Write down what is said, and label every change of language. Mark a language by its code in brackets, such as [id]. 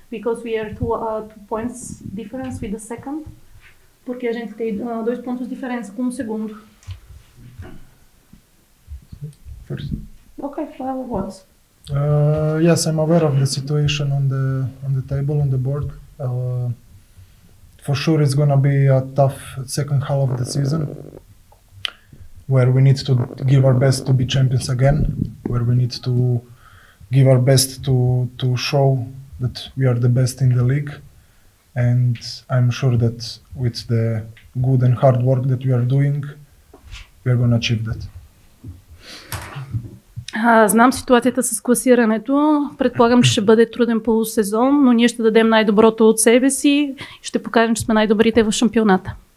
[en] Because we are two points difference with the second. [pt] Porque a gente tem dois pontos diferença com o segundo. [en] First. Okay, well, what? Yes, I'm aware of the situation on the table on the board. For sure, it's gonna be a tough second half of the season, where we need to give our best to be champions again, where we need to give our best to show that we are the best in the league, and I'm sure that with the good and hard work that we are doing, we are going to achieve that. [bg] Знам ситуацията с класирането. Предполагам, че ще бъде труден полусезон, но ние ще дадем най-доброто от себе си и ще покажем, че сме най-добрите в шампионата.